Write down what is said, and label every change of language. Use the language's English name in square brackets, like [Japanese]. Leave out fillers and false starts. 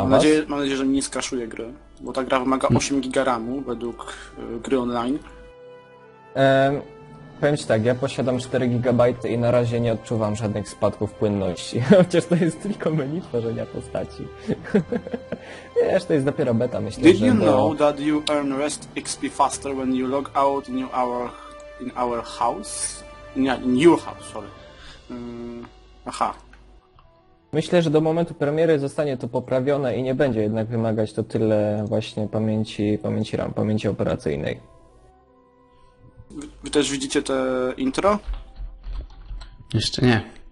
[Polish] Mam nadzieję, że mi nie skraszuje gry, bo ta gra wymaga 8 GB RAM według gry online. powiem ci tak, ja posiadam 4 GB i na razie nie odczuwam żadnych spadków płynności. Chociaż to jest tylko menu tworzenia postaci. Wiesz, to jest dopiero beta, myślę, [English] Did you know that you earn rest XP faster when you log out in our house? In your house, sorry. Aha. [Polish] Myślę, że do momentu premiery zostanie to poprawione i nie będzie jednak wymagać to tyle właśnie pamięci RAM, pamięci operacyjnej. Wy też widzicie te intro? Jeszcze nie.